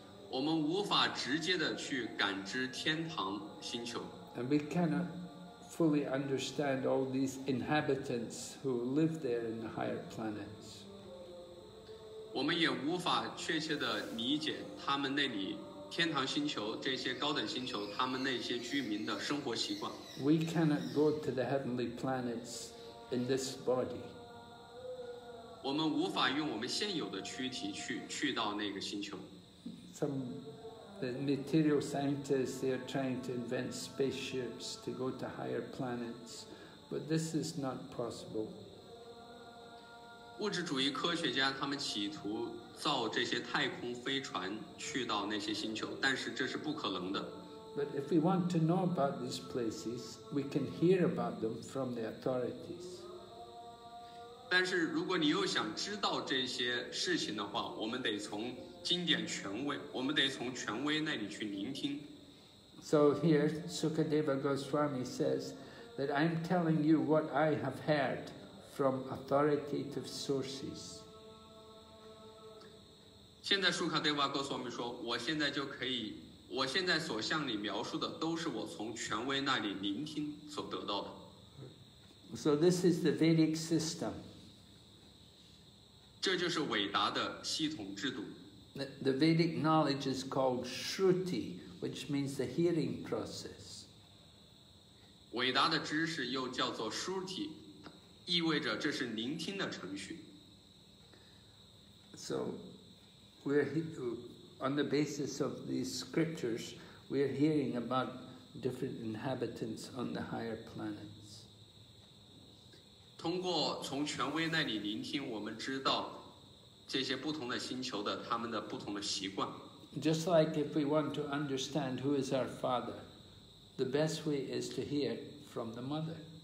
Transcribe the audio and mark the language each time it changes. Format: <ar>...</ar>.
<zh>我们无法直接的去感知天堂星球。</zh> <en>And we cannot. Fully understand all these inhabitants who live there in the higher planets.</en> <zh>我们也无法确切地理解他们那里天堂星球这些高等星球他们那些居民的生活习惯。</zh> <en>We cannot go to the heavenly planets in this body.</en> <zh>我们无法用我们现有的躯体去到那个星球。</zh> <en>The material scientists, they are trying to invent spaceships to go to higher planets, but this is not possible.</en> <zh>物质主义科学家他们企图造这些太空飞船去到那些星球，但是这是不可能的。</zh> <en>But if we want to know about these places, we can hear about them from the authorities.</en> <zh>但是如果你又想知道这些事情的话，我们得从经典权威，我们得从权威那里去聆听。</zh> <en>So here, Sukadeva Goswami says that I'm telling you what I have heard from authoritative sources.</en> <zh>现在 Sukadeva Goswami 说，我现在所向你描述的都是我从权威那里聆听所得到的。</zh> <en>So this is the Vedic system.</en> <zh>这就是伟达的系统制度。</zh> <en>The Vedic knowledge is called Shruti, which means the hearing process.</en> <zh>伟达的知识又叫做 Shruti, 意味着这是聆听的程序。</zh> <en>So, on the basis of these scriptures, we are hearing about different inhabitants on the higher planets.</en> <zh>通过从权威那里聆听，我们知道这些不同的星球的他们的不同的习惯。</zh> <en>Just like if we want to understand who is our father, the best way is to hear from the mother.</en>